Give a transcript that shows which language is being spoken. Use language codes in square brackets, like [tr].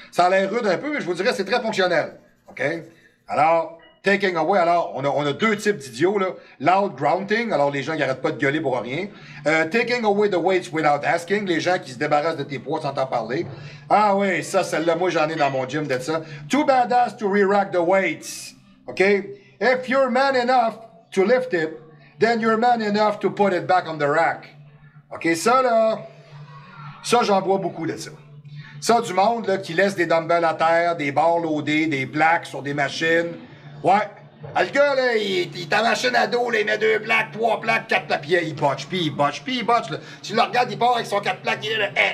[fr] Ça a l'air rude un peu, mais je vous dirais, c'est très fonctionnel. OK? Alors, [en] taking away, [fr] alors, on a deux types d'idiots, là. [en] Loud grunting, [fr] alors les gens qui arrêtent pas de gueuler pour rien. [en] Taking away the weights without asking, [fr] les gens qui se débarrassent de tes poids sans t'en parler. Ah oui, ça, celle-là, moi, j'en ai dans mon gym d'être ça. [en] Too badass to re-rack the weights. OK? If you're man enough to lift it, then you're man enough to put it back on the rack. [fr] OK? Ça, là... Ça, j'en vois beaucoup de ça. Ça, du monde là, qui laisse des dumbbells à terre, des barres loadées, des plaques sur des machines. Ouais. Le gars, là, il ta machine à dos, là, il met 2 plaques, 3 plaques, 4 plaques, puis il botche. Là. Tu le regardes, il part avec son 4 plaques, il est là,